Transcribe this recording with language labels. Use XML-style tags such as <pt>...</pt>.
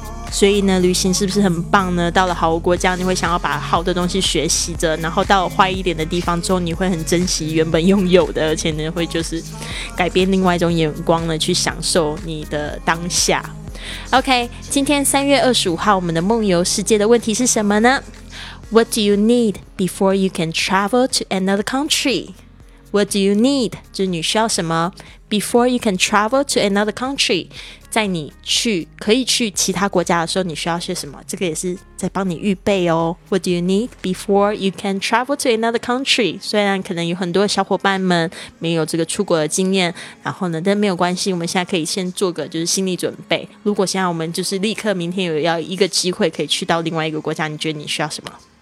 <zh>所以呢，旅行是不是很棒呢？到了好国家，你会想要把好的东西学习着，然后到坏一点的地方之后，你会很珍惜原本拥有的，而且呢，会就是改变另外一种眼光呢，去享受你的当下。 OK， 今天3月25号，我们的梦游世界的问题是什么呢 ？</zh> <en>What do you need before you can travel to another country？ What do you need？</en> <zh>就是你需要什么 ？</zh> <en>Before you can travel to another country。</en> <zh>在你去可以去其他国家的时候，你需要学什么？这个也是在帮你预备哦。</zh> <en>What do you need before you can travel to another country？</en> <zh>虽然可能有很多小伙伴们没有这个出国的经验，然后呢，但没有关系，我们现在可以先做个就是心理准备。如果现在我们就是立刻明天有要一个机会可以去到另外一个国家，你觉得你需要什么？</zh>